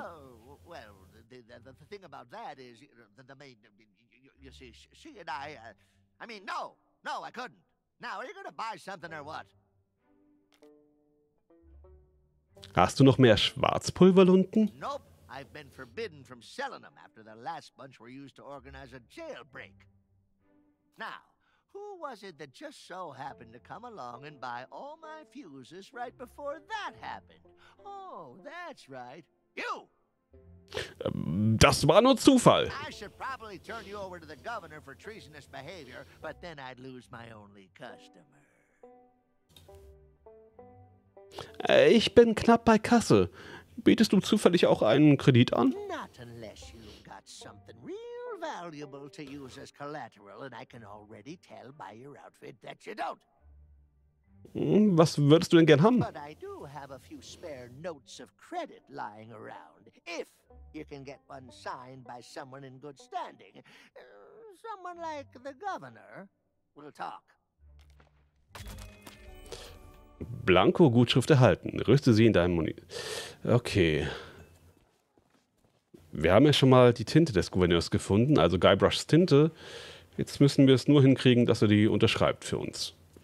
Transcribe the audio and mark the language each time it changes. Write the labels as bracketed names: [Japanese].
[English] Oh, well, the thing about that is, the main, you see, she and I mean, no, I couldn't. Now, are you gonna buy something or what? [German] Hast du noch mehr Schwarzpulverlunden? [English] Nope, I've been forbidden from selling them after the last bunch were used to organize a jailbreak. Now, who was it that just so happened to come along and buy all my fuses right before that happened? Oh, that's right, you! [German] Das war nur Zufall. [English] I should probably turn you over to the governor for treasonous behavior, but then I'd lose my only customer. [German] Ich bin knapp bei Kasse. Bietest du zufällig auch einen Kredit an? [English] Not unless you've got something real valuable to use as collateral, and I can already tell by your outfit that you don't. [German] Was würdest du denn gern haben? [English] But I do have a few spare notes of credit lying around. If you can get one signed by someone in good standing. Someone like the governor. We'll talk. [German] Blanko-Gutschrift erhalten. Rüste sie in deinem Muni. Okay. Wir haben ja schon mal die Tinte des Gouverneurs gefunden, also Guybrushs Tinte. Jetzt müssen wir es nur hinkriegen, dass er die unterschreibt für uns.